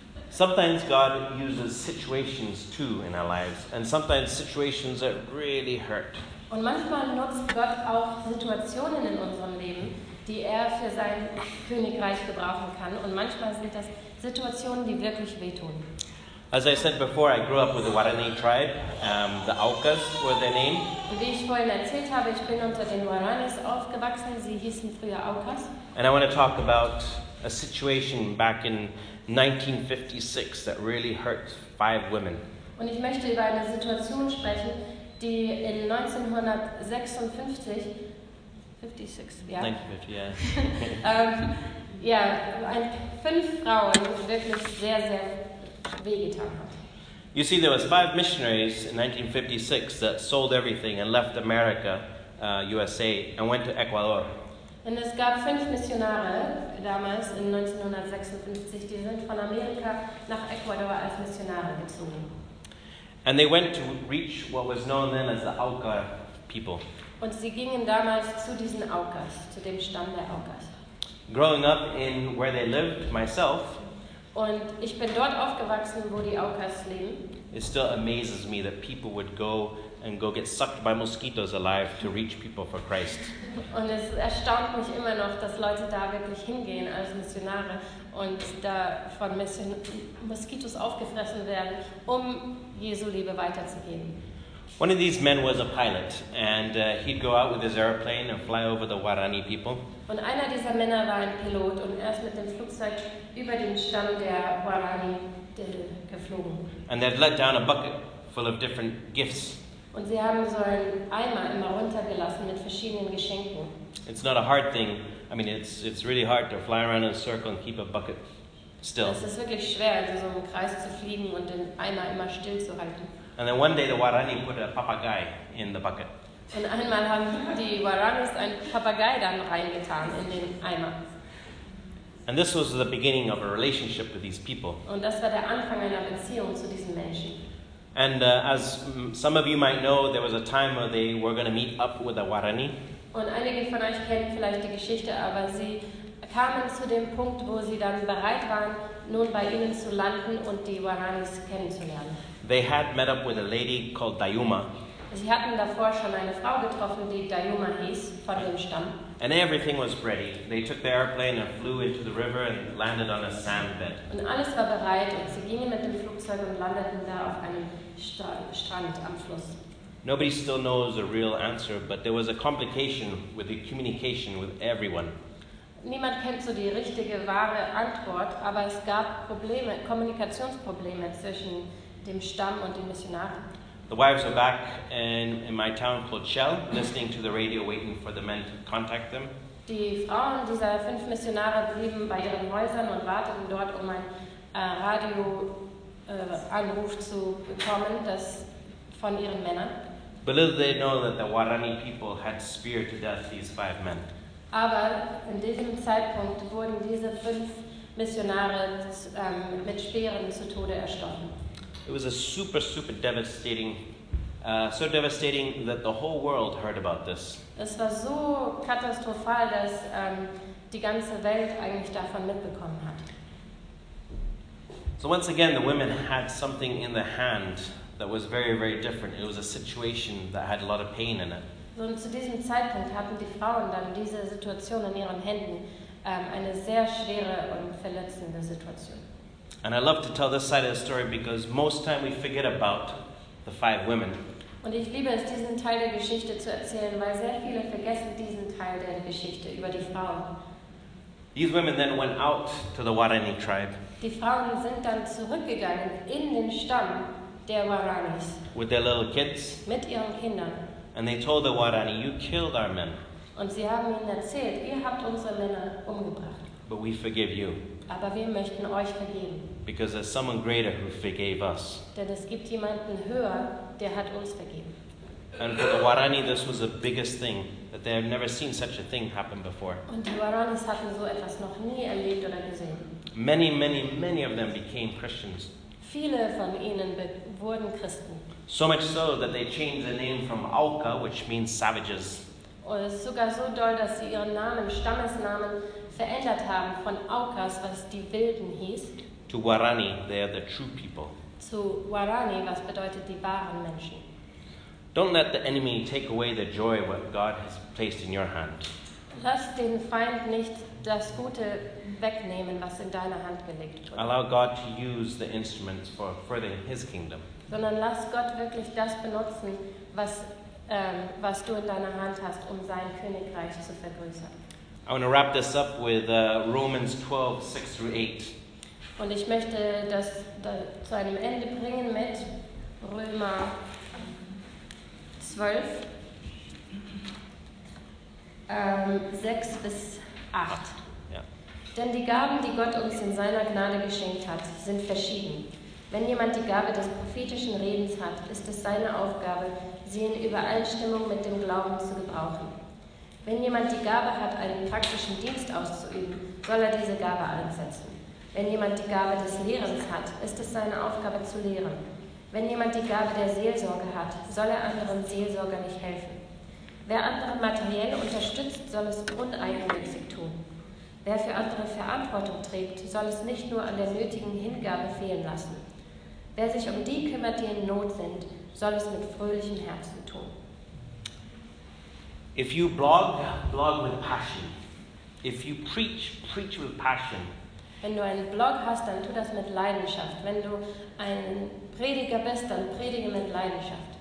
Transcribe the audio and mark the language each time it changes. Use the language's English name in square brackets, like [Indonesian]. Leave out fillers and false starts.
[English] Sometimes God uses situations too in our lives, and sometimes situations that really hurt. [German] Und manchmal nutzt Gott auch Situationen in unserem Leben, die für sein Königreich gebrauchen kann. Und manchmal sind das Situationen, die wirklich wehtun. [English] As I said before, I grew up with the Warani tribe. The Aucas were their name. [German] Wie ich vorhin erzählt habe, ich bin unter den Waranis aufgewachsen. Sie hießen früher Aucas. [English] And I want to talk about a situation back in 1956 that really hurt 5 women. [German] Und ich möchte über eine Situation sprechen, die in 1956, 56, ja. 1950, ja. Ja, 5 Frauen wirklich sehr, sehr wehgetan hat. [English] You see, there was 5 missionaries in 1956 that sold everything and left America, USA, and went to Ecuador. [German] Und es gab 5 Missionare damals in 1956, die sind von Amerika nach Ecuador als Missionare gezogen. [English] And they went to reach what was known then as the Auca people. [German] Und sie gingen damals zu diesen Aucas, zu dem Stamm der Aucas. [English] Growing up in where they lived, myself. [German] Und ich bin dort aufgewachsen, wo die Aucas leben. [English] It still amazes me that people would go and go get sucked by mosquitoes alive to reach people for Christ. [German] Und es erstaunt mich immer noch, dass Leute da wirklich hingehen als Missionare und da von Moskitos aufgefressen werden, um Jesu Liebe weiterzugeben. [English] One of these men was a pilot and he'd go out with his airplane and fly over the Warani people. [German] Und einer dieser Männer war ein Pilot und er ist mit dem Flugzeug über den Stamm der Warani geflogen. [English] And they'd let down a bucket full of different gifts. [German] Und sie haben so einen Eimer immer runtergelassen mit verschiedenen Geschenken. [English] It's not a hard thing. I mean, it's really hard to fly around in a circle and keep a bucket still. [German] Es ist wirklich schwer, in so einem Kreis zu fliegen und den Eimer immer still zu halten. [English] And then one day the Warani put a papagai in the bucket. [German] Und einmal haben die Waranis einen Papagei dann reingetan in den Eimer. [English] And this was the beginning of a relationship with these people. [German] Und das war der Anfang einer Beziehung zu diesen Menschen. [English] And as some of you might know, there was a time where they were going to meet up with a Warani. [German] Und einige von euch kennen vielleicht die Geschichte, aber sie kamen zu dem Punkt, wo sie dann bereit waren, nun bei ihnen zu landen und die Waranis kennenzulernen. [English] They had met up with a lady called Dayuma. [German] Sie hatten davor schon eine Frau getroffen, die Dayuma hieß, von dem Stamm. [English] And everything was ready. They took the airplane and flew into the river and landed on a sandbed. [German] Und alles war bereit und sie gingen mit dem Flugzeug und landeten da auf einem Strand am Fluss. [English] Nobody still knows the real answer, but there was a complication with the communication with everyone. [German] Niemand kennt so die richtige, wahre Antwort, aber es gab Probleme, Kommunikationsprobleme zwischen dem Stamm und den Missionaren. [English] The wives were back in my town called Shell, listening to the radio, waiting for the men to contact them. [German] Die Frauen dieser fünf Missionare blieben bei ihren Häusern und warteten dort, um ein Radioanruf zu bekommen, das von ihren Männern. [English] But little did they know that the Warani people had speared to death these five men. [German] Aber in diesem Zeitpunkt wurden diese fünf Missionare mit Speeren zu Tode erstochen. [English] It was a super, super devastating, so devastating that the whole world heard about this. [German] Es war so katastrophal, dass die ganze Welt eigentlich davon mitbekommen hat. [English] So once again, the women had something in their hand that was very, very different. It was a situation that had a lot of pain in it. [German] So, und zu diesem Zeitpunkt hatten die Frauen dann diese Situation in ihren Händen, eine sehr schwere und verletzende Situation. [English] And I love to tell this side of the story because most time we forget about the five women. [German] Und ich liebe es, diesen Teil der Geschichte zu erzählen, weil sehr viele vergessen diesen Teil der Geschichte über die Frauen. [English] These women then went out to the Warani tribe. [German] Die Frauen sind dann zurückgegangen in den Stamm der Waranis. [English] With their little kids. [German] Mit ihren Kindern. [English] And they told the Warani, "You killed our men." [German] Und sie haben ihnen erzählt, ihr habt unsere Männer umgebracht. [English] But we forgive you. [German] Aber wir möchten euch vergeben. [English] Because there's someone greater who forgave us. [German] Denn es gibt jemanden höher, der hat uns vergeben. [English] And for the Warani, this was the biggest thing that they had never seen such a thing happen before. [German] Und die Waranis hatten so etwas noch nie erlebt oder gesehen. [English] Many, many, many of them became Christians. [German] Viele von ihnen wurden Christen. [English] So much so that they changed the name from Auka, which means savages. [German] Und es ist sogar so doll, dass sie ihren Namen, Stammesnamen, verändert haben von Aukas, was die Wilden hieß, [English] to Warani, they are the true people. [German] Zu Warani, was bedeutet die wahren Menschen. [English] Don't let the enemy take away the joy what God has placed in your hand. [German] Lass den Feind nicht das Gute wegnehmen, was in deiner Hand gelegt wurde. [English] Allow God to use the instruments for furthering His kingdom. [German] Sondern lass Gott wirklich das benutzen, was du in deiner Hand hast, um sein Königreich zu vergrößern. [English] I want to wrap this up with Romans 12, 6 through 8. [German] Und ich möchte das zu einem Ende bringen mit Römer 12, 6 bis 8. Denn die Gaben, die Gott uns in seiner Gnade geschenkt hat, sind verschieden. Wenn jemand die Gabe des prophetischen Redens hat, ist es seine Aufgabe, sie in Übereinstimmung mit dem Glauben zu gebrauchen. Wenn jemand die Gabe hat, einen praktischen Dienst auszuüben, soll er diese Gabe einsetzen. Wenn jemand die Gabe des Lehrens hat, ist es seine Aufgabe zu lehren. Wenn jemand die Gabe der Seelsorge hat, soll er anderen Seelsorger nicht helfen. Wer andere materiell unterstützt, soll es uneigennützig tun. Wer für andere Verantwortung trägt, soll es nicht nur an der nötigen Hingabe fehlen lassen. Wer sich um die kümmert, die in Not sind, soll es mit fröhlichem Herzen tun. [English] If you blog, blog with passion. If you preach, preach with passion. [German] Wenn du einen Blog hast, dann tu das mit Leidenschaft. Wenn du ein Prediger bist, dann predige mit Leidenschaft.